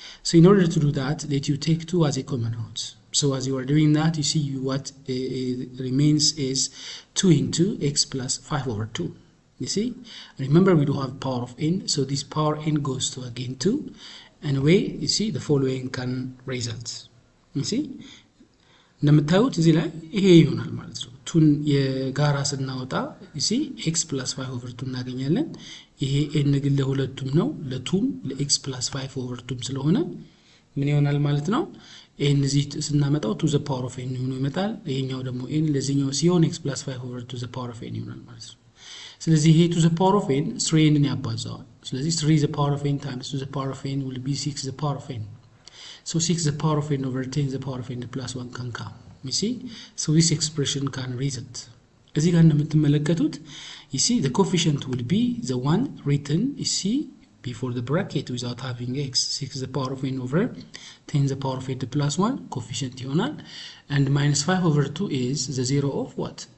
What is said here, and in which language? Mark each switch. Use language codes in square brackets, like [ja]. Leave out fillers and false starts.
[en] So in order to do that, let you take 2 as a common root. So as you are doing that, you see what remains is 2 into x plus 5 over 2. You see? Remember, we do have power of n. So this power n goes to again 2. Anyway, you see, the following can result. You see? [am] እንደምታዩት እዚህ ላይ ይሄ ይሆናል ማለት ነው። ቱን የጋራ ስናወጣ ሲ ኤክስ ፕላስ 5 ኦቨር 2 እናገኛለን። ይሄ ኤን ግን ለሁለቱም ነው፣ ለቱም ለኤክስ ፕላስ 5 ኦቨር 2 ስለሆነ ምን ይሆናል ማለት ነው? ኤን እዚህ ስናመጣው ቱ ዘ ፓወር ኦፍ ኤን ሆኖ ይመጣል። ይሄኛው ደግሞ ኤን ለዚህኛው ሲሆን ኤክስ ፕላስ 5 ኦቨር 2 ዘ ፓወር ኦፍ ኤን ይሆናል ማለት ነው። ስለዚህ ይሄ ቱ ዘ ፓወር ኦፍ ኤን 3 ኤንን ያባዛዋል። ስለዚህ 3 ዘ ፓወር ኦፍ ኤን ታይምስ ቱ ዘ ፓወር ኦፍ ኤን ዊል ቢ 6 ዘ ፓወር ኦፍ ኤን. [en] So 6 the power of n over 10 the power of n plus 1 can come. You see, so this expression can reason. As you can imagine, you see, the coefficient will be the one written, you see, before the bracket without having x, 6 to the power of n over 10 to the power of 8 plus 1, coefficient you know, and minus 5 over 2 is the zero of what?